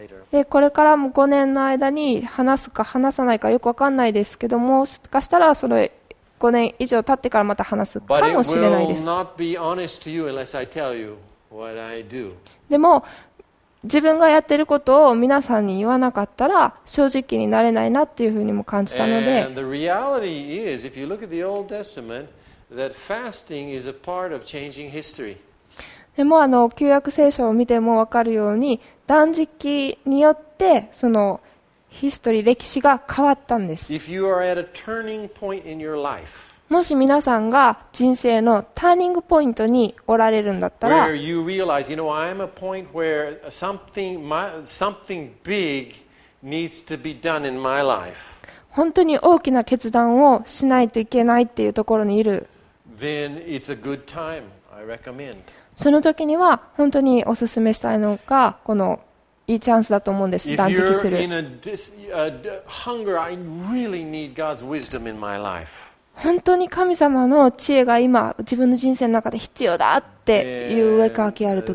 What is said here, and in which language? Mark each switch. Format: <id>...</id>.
<ja>でこれからも5年の間に話すか話さないかよく分かんないですけども、もしかしたらその5年以上経ってからまた話すかもしれないです。</ja> <en>But it will not be honest to you unless I tell you what I do.</en> <ja>でも自分がやってることを皆さんに言わなかったら正直になれないなっていうふうにも感じたので、</ja> <en>And the reality is, if you look at the Old Testament, that fasting is a part of changing history.</en> <ja>でも旧約聖書を見ても分かるように断食によってそのヒストリー歴史が変わったんです。</ja> <en>If you are at a turning point in your life,</en> <ja>もし皆さんが人生のターニングポイントにおられるんだったら、</ja> <en>Where you realize, you know, I'm a point where something big needs to be done in my life.</en> <ja>本当に大きな決断をしないといけないっていうところにいる。</ja> <en>Then it's a good time. I recommend.</en> <ja>その時には本当にお勧めしたいのがこのいいチャンスだと思うんです。断食する。</ja> <en>If you're in a hunger, I really need God's wisdom in my life.</en> <ja>本当に神様の知恵が今自分の人生の中で必要だっていう上書きあると</ja>